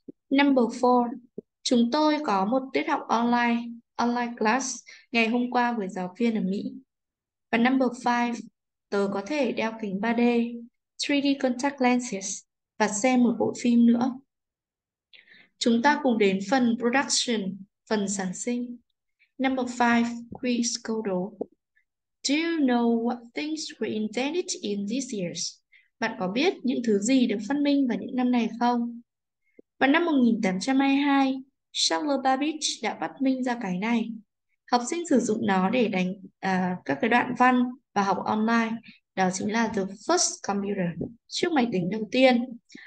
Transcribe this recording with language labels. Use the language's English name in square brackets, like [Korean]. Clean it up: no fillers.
[English] Number 4, [Vietnamese] chúng tôi có một tiết học online class ngày hôm qua với giáo viên ở Mỹ. Và [English] number 5, [Vietnamese] tớ có thể đeo kính 3D, [English] 3D contact lenses [Vietnamese] và xem một bộ phim nữa. Chúng ta cùng đến phần production, phần sản sinh. [English] Number 5, quiz schedule. Do you know what things were invented in these years? [Vietnamese] Bạn có biết những thứ gì được phát minh vào những năm này không? Vào năm 1822, Charles Babbage đã phát minh ra cái này. Học sinh sử dụng nó để đánh các cái đoạn văn và học online. Đó chính là [English] the first computer, [Vietnamese] chiếc máy tính đầu tiên.